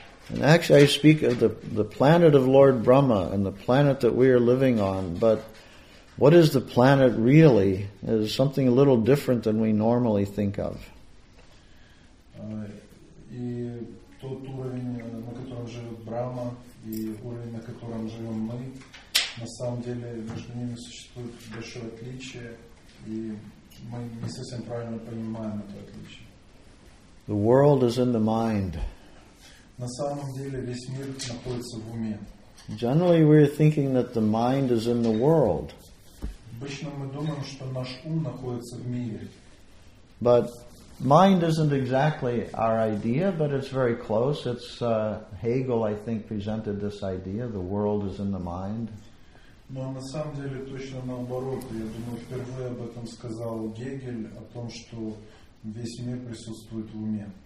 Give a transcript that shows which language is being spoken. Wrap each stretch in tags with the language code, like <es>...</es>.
<en>And actually, I speak of the planet of Lord Brahma and the planet that we are living on, but what is the planet really is something a little different than we normally think of.</en> <ru>И тот уровень, на котором живет Брахма, и уровень, на котором живем мы, на самом деле между ними существует большое отличие, и мы не совсем правильно понимаем это отличие.</ru> <en>The world is in the mind.</en> <ru>На самом деле весь мир находится в уме.</ru> <en>Generally, we're thinking that the mind is in the world.</en> <ru>Обычно мы думаем, что наш ум находится в мире.</ru> <en>But mind isn't exactly our idea, but it's very close. It's Hegel, I think, presented this idea: the world is in the mind.</en> <ru>Но на самом деле точно наоборот. Я думаю, впервые об этом сказал Гегель, о том, что весь мир присутствует в уме.</ru>